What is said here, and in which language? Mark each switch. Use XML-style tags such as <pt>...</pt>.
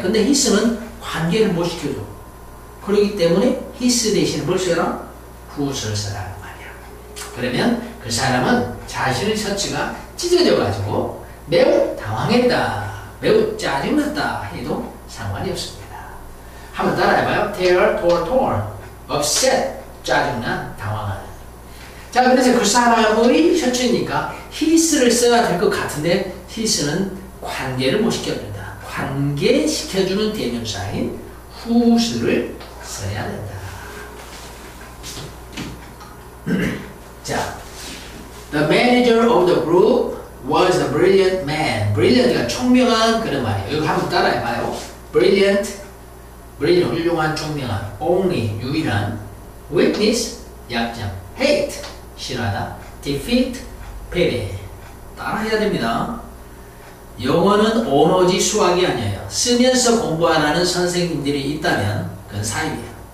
<ko>근데 히스는 관계를 못 시켜줘. 그렇기 때문에 히스 대신 뭘 써라? 후스를 써라. 그러면 그 사람은 자신의 셔츠가 찢어져 가지고 매우 당황했다, 매우 짜증났다 해도 상관이 없습니다. 한번 따라해봐요.</ko> <en>Tear, torn, torn, upset,</en> <ko>짜증난, 당황한. 자, 그래서 그 사람의 셔츠니까 his를 써야 될 것 같은데 his는 관계를 못 시켜준다. 관계시켜주는 대명사인 whose를 써야 된다.</ko> <en>자, the manager of the group was a brilliant man.</en> <ko>Brilliant가 총명한 그런 말이에요. 이거 한번 따라해봐요.</ko> <en>Brilliant, brilliant,</en> <ko>훌륭한, 총명한.</ko> <en>Only,</en> <ko>유일한. Weakness, 약점. Hate, 싫어하다. Defeat, 패배. 따라해야 됩니다. 영어는 오너지 수학이 아니에요. 쓰면서 공부하라는 선생님들이 있다면 그건 사유예요.</ko>